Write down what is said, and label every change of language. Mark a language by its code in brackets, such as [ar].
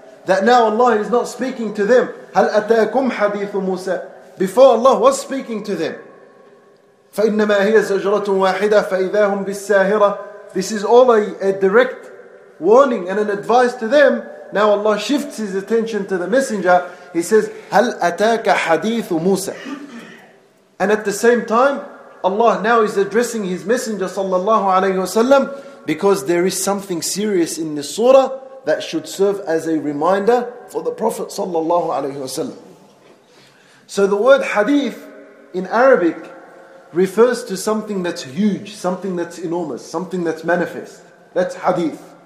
[en] That now Allah is not speaking to them. [ar] هَلْ أَتَاكُمْ حَدِيثُ مُوسَى. [en] Before Allah was speaking to them. [ar] فَإِنَّمَا هِيَ زَجْرَةٌ وَاحِدَةٌ فَإِذَا هُمْ بِالسَّاهِرَةِ. [en] This is all a direct warning and an advice to them. Now Allah shifts His attention to the Messenger. He says, [ar] هَلْ أَتَاكَ حَدِيثُ مُوسَى. [en] And at the same time, Allah now is addressing His Messenger sallallahu alayhi wasallam, because there is something serious in this surah that should serve as a reminder for the Prophet sallallahu alayhi wasallam. So the word hadith in Arabic refers to something that's huge, something that's enormous, something that's manifest. That's hadith.